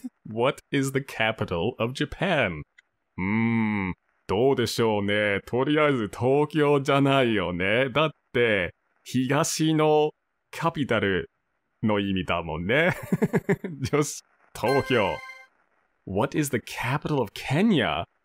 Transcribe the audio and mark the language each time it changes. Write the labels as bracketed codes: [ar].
[en] What is the capital of Japan? [ja] どうでしょうね。とりあえず東京じゃないよね。だって、東のカピタルの意味だもんね。よし、東京。 [en] What is the capital of Kenya?